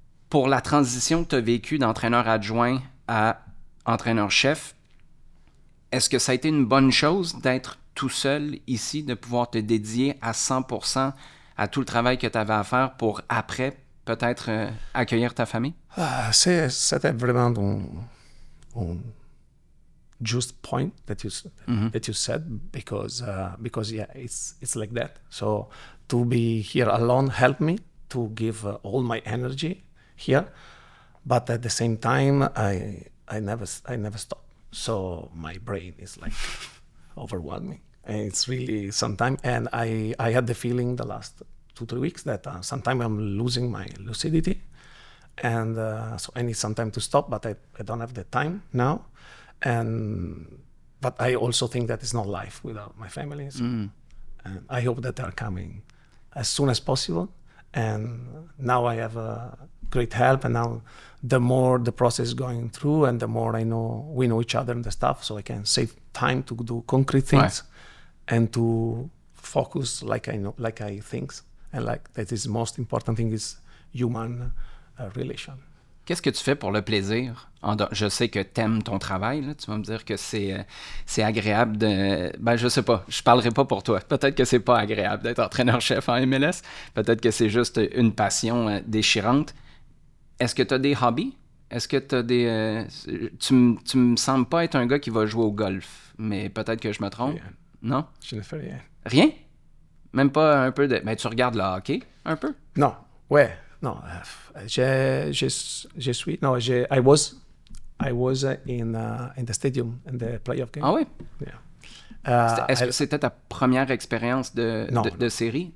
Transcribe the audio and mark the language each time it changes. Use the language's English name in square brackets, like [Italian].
[French] Pour la transition que tu as vécue d'entraîneur adjoint à entraîneur-chef, est-ce que ça a été une bonne chose d'être tout seul ici, de pouvoir te dédier à 100% à tout le travail que tu avais à faire pour après peut-être accueillir ta famille? C'était vraiment un juste point [English] that you said because yeah, it's like that. So to be here alone helped me to give all my energy here, but at the same time I never stop. So my brain is like overwhelming. And it's really sometimes, and I had the feeling the last 2-3 weeks that sometimes I'm losing my lucidity. And so I need some time to stop, but I don't have the time now. But I also think that it's not life without my family. So. And I hope that they're coming as soon as possible. And now I have a great help, and now the more the process is going through and the more I know we know each other and the stuff, so I can save time to do concrete things and to focus like I think and like that is most important thing is human relation. [French] Qu'est-ce que tu fais pour le plaisir? Je sais que tu aimes ton travail. Là. Tu vas me dire que c'est agréable de... Ben, je sais pas. Je parlerai pas pour toi. Peut-être que c'est pas agréable d'être entraîneur-chef en MLS. Peut-être que c'est juste une passion déchirante. Est-ce que tu as des hobbies? Est-ce que tu as des... Tu me sembles pas être un gars qui va jouer au golf. Mais peut-être que je me trompe. Rien. Non? Je ne fais rien. Rien? Même pas un peu de... Mais ben, tu regardes le hockey un peu? Non. Ouais. Non, je suis. [English] Non, I was in the stadium in the playoff game. [French] Ah oui? Est-ce que c'était ta première expérience de série?